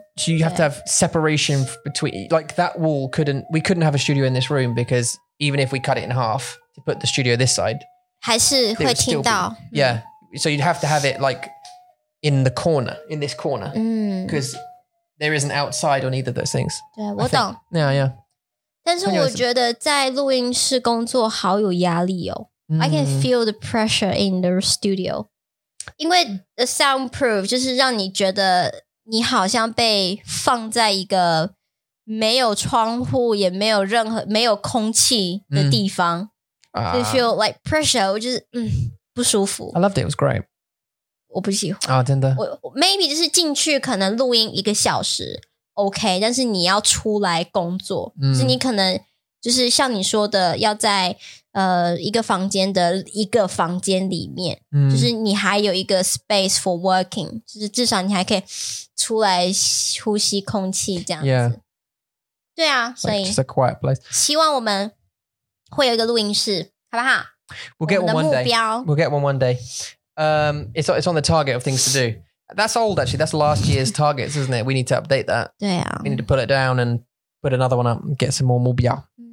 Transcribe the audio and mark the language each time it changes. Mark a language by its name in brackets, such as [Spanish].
[English] so you have to have separation between, like that wall couldn't, we couldn't have a studio in this room because even if we cut it in half to put the studio this side, [Chinese] 还是会听到 [English] Yeah. So you'd have to have it like in the corner, in this corner. Because there isn't outside on either of those things. [Chinese] 对，我懂。 [English] Yeah, yeah. [Chinese] 但是我觉得在录音室工作好有压力哦。 [English] I can feel the pressure in the studio. [Chinese] 因为 [English] the soundproof [Chinese] 就是让你觉得你好像被放在一个没有窗户也没有任何没有空气的地方。 [English] They feel like pressure, which is [Chinese] 不舒服。 [English] I loved it, it was great. [Chinese] 我不喜欢。 Oh, 真的。 Maybe 就是进去可能录音一个小时 ,OK, 但是你要出来工作。就是你可能就是像你说的要在一个房间的一个房间里面。就是你还有一个 [English] space for working, [Chinese] 就是至少你还可以出来呼吸空气这样子。 [English] Yeah. [Chinese] 对啊，所以。 [English] Like, just a quiet place. [Chinese] 希望我们会有一个录音室，好不好？ [English] We'll get one one day. We'll get one one day. It's on the target of things to do. That's old, actually. That's last year's targets, isn't it? We need to update that. [Chinese] 对啊。 [English] We need to put it down and put another one up and get some more 目标。